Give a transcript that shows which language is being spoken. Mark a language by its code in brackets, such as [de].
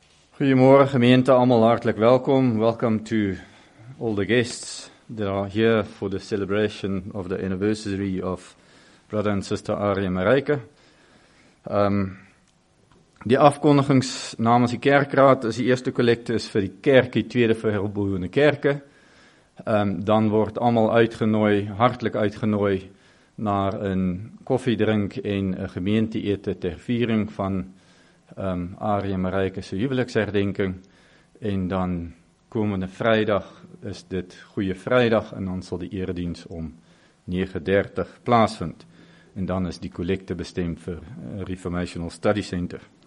[nl] Goedemorgen gemeente, allemaal hartelijk welkom. [en] Welcome to all the guests that are here for the celebration of the anniversary of brother and sister Arie en Marijke. [af] Die afkondigings namens die kerkraad is die eerste collecte is vir die kerk, die tweede vir herboende kerke. Dan word allemaal uitgenooi, hartelijk uitgenooi, [nl] naar een koffiedrink en een gemeente eten ter viering van [af] Arie en Marijke se huweliksherdenking, en dan komende vrijdag is dit Goeie Vrijdag, en dan sal die eredienst om 9:30 plaasvind, en dan is die collecte bestemd vir Reformational Study Center.